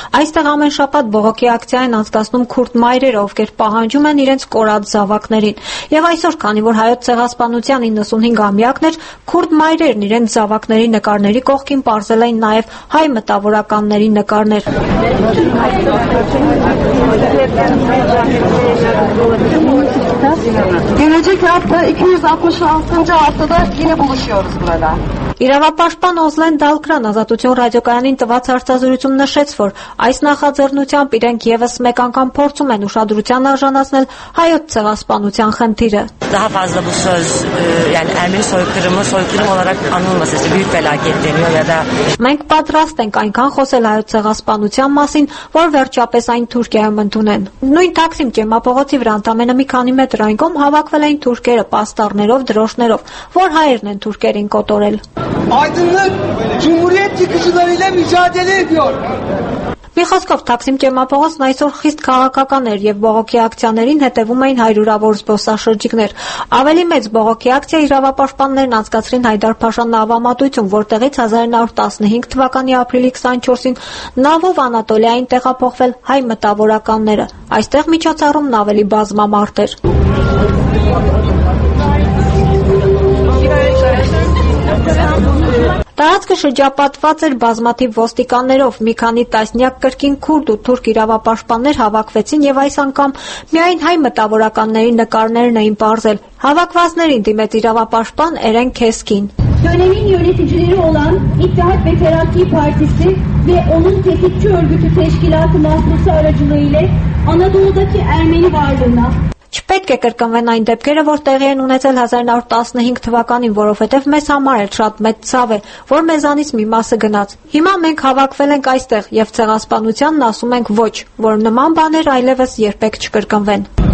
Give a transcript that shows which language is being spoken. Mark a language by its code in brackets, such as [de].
[hy] Այստեղ ամեն շաբաթ բողոքի ակցիա են անցկացնում քուրդ մայրերը, ովքեր պահանջում են իրենց կորած զավակներին։ Եվ այսօր, քանի որ հայոց ցեղասպանության 95-ամյակն էր, քուրդ մայրերն իրենց զավակների նկարների կողքին պարզել էին նաև հայ մտավորականների նկարներ։ [tr] Gelecek hafta 266. haftada yine buluşuyoruz burada. [hy] Իրավապաշտպան Օզլեն Դալկրան ազատություն ռադիոկայանին տված հարցազրույցում նշեց, որ այս նախաձեռնությամբ իրենք ևս մեկ անգամ փորձում են ուշադրության արժանացնել հայոց ցեղասպանության խնդիրը. [tr] Daha fazla bu söz yani Ermeni soykırımı soykırım olarak anılmasa işte büyük felaket deniyor ya da [hy] Մենք պատրաստ ենք այնքան խոսել հայոց ցեղասպանության մասին, որ վերջապես այն Թուրքիայում ընդունեն։ Նույն տաքսիմ ճեմապողոցի վրա ընդամենը մի քանի մետր այնքան հավաքվել էին թուրքերը պաստառներով, դրոշներով, որ հայերն են թուրքերին կոտորել։ [tr] Aydınlık Cumhuriyet yıkıcılarıyla mücadele ediyor. [hy] Մի խոսքով տաքսիմ ճեմապողոցն այսօր խիստ քաղաքական էր եւ բողոքի ակցիաներին հետեւում էին հարյուրավոր զբոսաշրջիկներ։ Ավելի մեծ բողոքի ակցիա իրավապաշտպաններն անցկացրին Հայդար Փաշան նավամատություն, որտեղից 1915 թվականի ապրիլի 24-ին նավով Անատոլիային տեղափոխվել հայ մտավորականները։ Այստեղ միջոցառում նավելի բազմամարդ էր։ Տարածքը շրջապատված էր բազմաթիվ ոստիկաններով, մի քանի տասնյակ կրկին քուրդ ու թուրք իրավապաշտպաններ հավաքվեցին եւ այս անգամ միայն հայ մտավորականների նկարներն էին պարզել։ Հավաքվածներին դիմեց իրավապաշտպան Էրեն Քեսկին։ [tr] Dönemin yöneticileri olan İttihat ve Terakki Partisi ve onun tetikçi örgütü teşkilatı mahpusu aracılığıyla Anadolu'daki Ermeni varlığına [hy] Չպետք է կրկնվեն այն դեպքերը, որ տեղի են ունեցել 1915 թվականին, որովհետև մեզ համար էլ շատ մեծ ցավ է, որ մեզանից մի մասը գնաց։ Հիմա մենք հավաքվել ենք այստեղ եւ ցեղասպանությանն ասում ենք ոչ, որ նման բաներ այլևս երբեք չկրկնվեն։